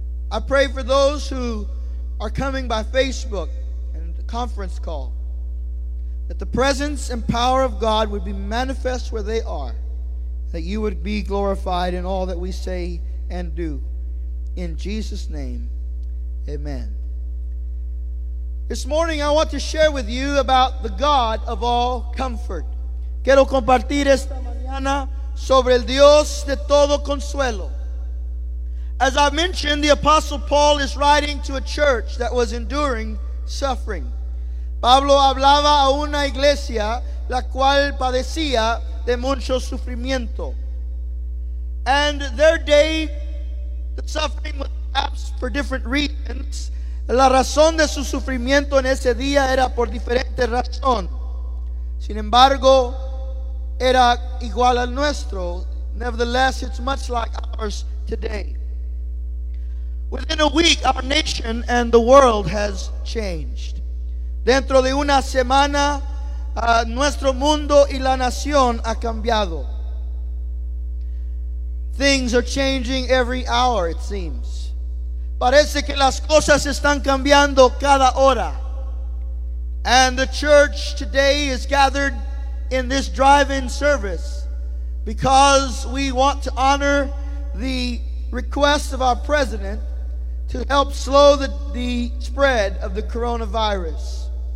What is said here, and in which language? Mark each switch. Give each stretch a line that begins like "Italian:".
English: I pray for those who are coming by Facebook and the conference call, that the presence and power of God would be manifest where they are, that you would be glorified in all that we say and do. In Jesus' name, amen. This morning I want to share with you about the God of all comfort.
Spanish: Quiero compartir esta mañana sobre el Dios de todo consuelo.
English: As I mentioned, the Apostle Paul is writing to a church that was enduring suffering.
Spanish: Pablo hablaba a una iglesia la cual padecía de mucho sufrimiento.
English: And their day, the suffering was perhaps for different reasons.
Spanish: La razón de su sufrimiento en ese día era por diferente razón. Sin embargo, era igual al nuestro.
English: Nevertheless, it's much like ours today. Within a week, our nation and the world has changed.
Spanish: Dentro de una semana, nuestro mundo y la nación ha cambiado.
English: Things are changing every hour, it seems.
Spanish: Parece que las cosas están cambiando cada hora.
English: And the church today is gathered in this drive-in service because we want to honor the request of our president to help slow the spread of the coronavirus.